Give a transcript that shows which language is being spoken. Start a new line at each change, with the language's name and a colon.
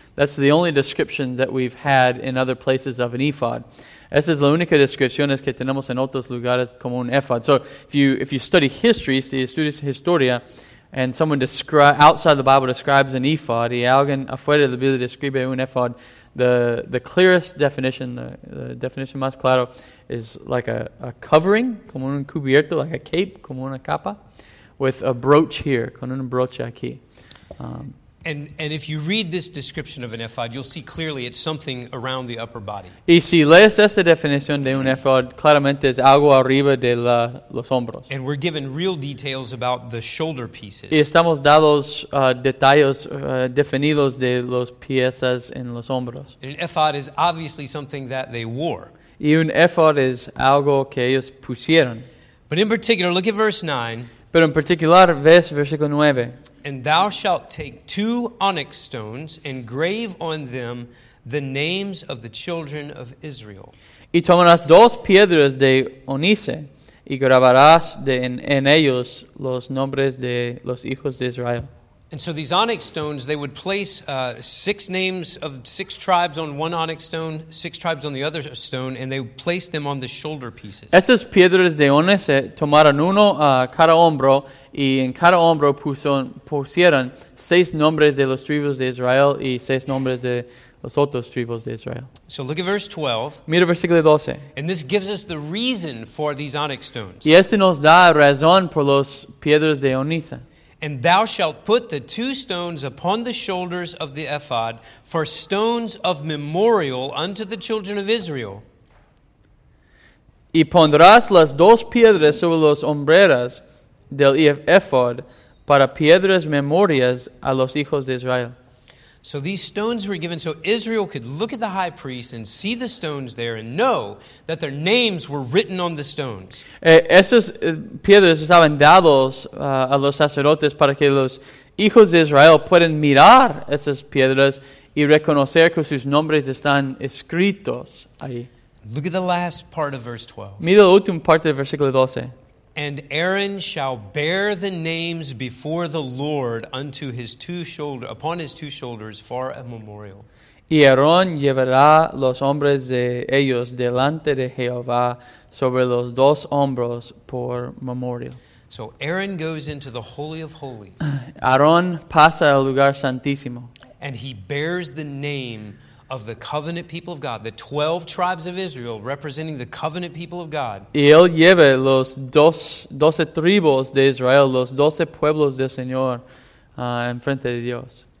English: That's the only description that we've had in other places of an ephod.
Spanish: Esa es la única descripción que tenemos en otros lugares como un ephod.
English: So if you study history,
Spanish: si estudias historia,
English: and someone outside the Bible describes an ephod,
Spanish: y alguien afuera de la Biblia describe un ephod,
English: The clearest definition, the definition
Spanish: más claro,
English: is like a covering,
Spanish: como un cubierto,
English: like a cape,
Spanish: como una capa.
English: with a brooch here,
Spanish: con un broche aquí.
English: And if you read this description of an ephod, you'll see clearly it's something around the upper body.
Spanish: Y si lees esta definición de un ephod, claramente es algo arriba de los hombros.
English: And we're given real details about the shoulder pieces.
Spanish: Y estamos dados detalles definidos de los piezas en los hombros.
English: And an ephod is obviously something that they wore.
Spanish: Y un ephod es algo que ellos pusieron.
English: But in particular, look at verse 9.
Spanish: Pero en particular, ves versículo 9.
English: And thou shalt take two onyx stones and grave on them the names of the children of Israel.
Spanish: Y tomarás dos piedras de onice y grabarás en ellos los nombres de los hijos de Israel.
English: And so these onyx stones, they would place six names of six tribes on one onyx stone, six tribes on the other stone, and they would place them on the shoulder pieces.
Spanish: Esas piedras de onyx tomaron uno a cada hombro, y en cada hombro pusieron seis nombres de los tribus de Israel y seis nombres de los otros tribus de Israel.
English: So look at verse 12.
Spanish: Mira versículo 12.
English: And this gives us the reason for these onyx stones.
Spanish: Y este nos da razón por los piedras de onyx.
English: And thou shalt put the two stones upon the shoulders of the ephod for stones of memorial unto the children of Israel.
Spanish: Y pondrás las dos piedras sobre las hombreras del ephod para piedras memorias a los hijos de Israel.
English: So these stones were given so Israel could look at the high priest and see the stones there and know that their names were written on the stones.
Spanish: Esas piedras estaban dados a los sacerdotes para que los hijos de Israel puedan mirar esas piedras y reconocer que sus nombres están escritos ahí.
English: Look at the last part of verse 12.
Spanish: Mira la última parte del versículo 12.
English: And Aaron shall bear the names before the Lord unto his two shoulder upon his two shoulders for a memorial.
Spanish: Y Aarón llevará los nombres de ellos delante de Jehová sobre los dos hombros por memorial.
English: So Aaron goes into the Holy of Holies.
Spanish: Aarón pasa al lugar santísimo.
English: And he bears the name of the covenant people of God, the 12 tribes of Israel representing the covenant people of God.
Spanish: Y él lleva los 12 tribus de Israel, los 12 pueblos del Señor, en frente de Dios.